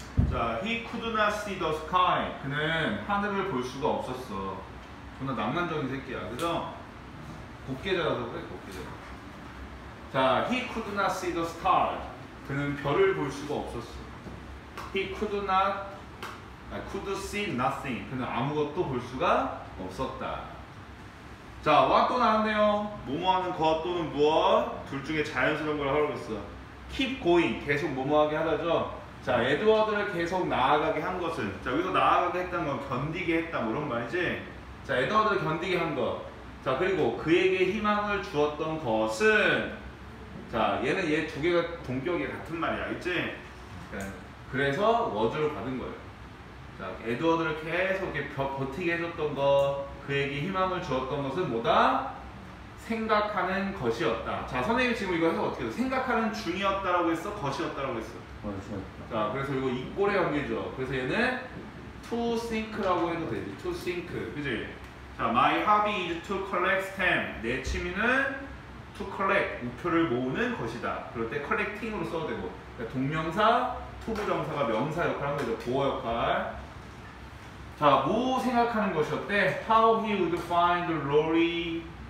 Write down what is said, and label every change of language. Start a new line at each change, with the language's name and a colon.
English: 자, he could not see the sky.
Korean: 그는 하늘을 볼 수가 없었어. 존나 낭만적인 새끼야. 그죠? 곱게 자라서 그래, 곱게 자라.
English: 자, he could not see the stars.
Korean: 그는 별을 볼 수가 없었어.
English: He could not, could see nothing.
Korean: 그는 아무것도 볼 수가 없었다. 자, what도 나왔네요. 뭐뭐 하는 것 또는 무엇? 둘 중에 자연스러운 걸 하려고 했어.
English: keep going.
Korean: 계속 뭐뭐하게 하다죠? 자, 에드워드를 계속 나아가게 한 것은, 자, 여기서 나아가게 했다는 건 견디게 했다, 뭐 이런 말이지? 자, 에드워드를 견디게 한 것. 자, 그리고 그에게 희망을 주었던 것은, 자, 얘는 얘 두 개가 동격이 같은 말이야, 알겠지? 그래서 워즈를 받은 거예요. 자, 에드워드를 계속 이렇게 버티게 해줬던 것, 그에게 희망을 주었던 것은 뭐다? 생각하는 것이었다. 자, 선생님이 지금 이거 해서 어떻게 해서 생각하는 중이었다라고 했어? 것이었다라고 했어? 맞습니다. 자, 그래서 이거 이꼴의 관계죠. 그래서 얘는
English: to think
Korean: 라고 해도 되지.
English: to think.
Korean: 그지?
English: 자, my hobby is to collect stamps.
Korean: 내 취미는
English: to collect.
Korean: 우표를 모으는 것이다. 그럴 때 collecting으로 써도 되고. 그러니까 동명사, 투부정사가 명사 역할을 하는 거죠. 보어 역할. 자, 뭐 생각하는 것이었대?
English: how he would find Lori.